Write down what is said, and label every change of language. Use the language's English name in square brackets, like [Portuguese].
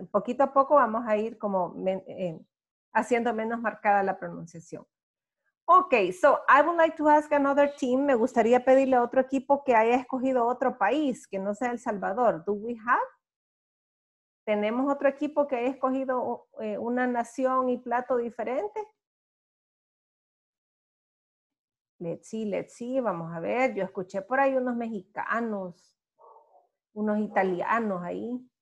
[Spanish] Poquito a poco vamos a ir como haciendo menos marcada la pronunciación. [English] Okay, so I would like to ask another team. [Spanish] Me gustaría pedirle a otro equipo que haya escogido otro país, que no sea El Salvador. [English] Do we have? [Spanish] ¿Tenemos otro equipo que haya escogido una nación y plato diferente? [English] Let's see, [Spanish] vamos a ver. Yo escuché por ahí unos mexicanos, unos italianos ahí.